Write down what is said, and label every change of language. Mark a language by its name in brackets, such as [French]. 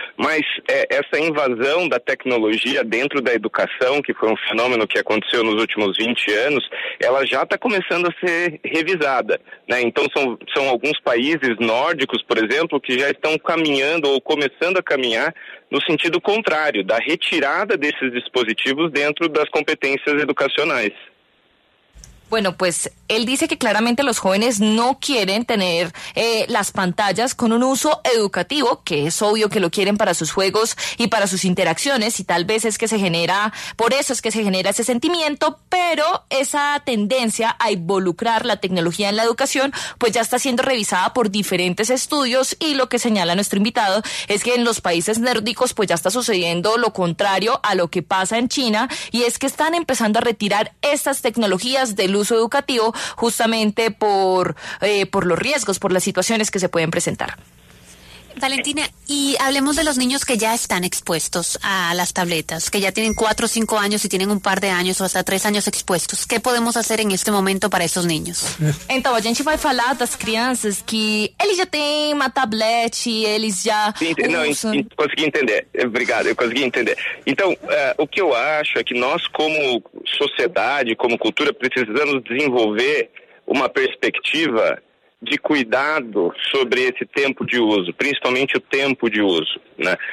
[Portuguese] Mas essa invasão da tecnologia dentro da educação, que foi um fenômeno que aconteceu nos últimos 20 anos, ela já está começando a ser revisada, né? Então, são alguns países nórdicos, por exemplo, que já estão caminhando ou começando a caminhar no sentido contrário, da retirada desses dispositivos dentro das competências educacionais. [Spanish] Bueno, pues él dice que claramente los jóvenes no quieren tener las pantallas con un uso educativo, que es obvio que lo quieren para sus juegos y para sus interacciones, y tal vez es que se genera, por eso es que se genera ese sentimiento, pero esa tendencia a involucrar la tecnología en la educación, pues ya está siendo revisada por diferentes estudios, y lo que señala nuestro invitado es que en los países nórdicos pues ya está sucediendo lo contrario a lo que pasa en China, y es que están empezando a retirar estas tecnologías del uso educativo justamente por los riesgos, por las situaciones que se pueden presentar. Valentina, y hablemos de los niños que ya están expuestos a las tabletas, que ya tienen 4 o 5 años y tienen un par de años o hasta 3 años expuestos. ¿Qué podemos hacer en este momento para esos niños? En Tabayán, si voy a hablar de las [Portuguese] crianças que eles já têm uma tablet [Spanish] y eles ya [Portuguese] consegui entender. Obrigado, eu consegui entender. Então, o que eu acho é que nós, como sociedade, como cultura, precisamos desenvolver uma perspectiva de cuidado sobre esse tempo de uso, principalmente o tempo de uso, né?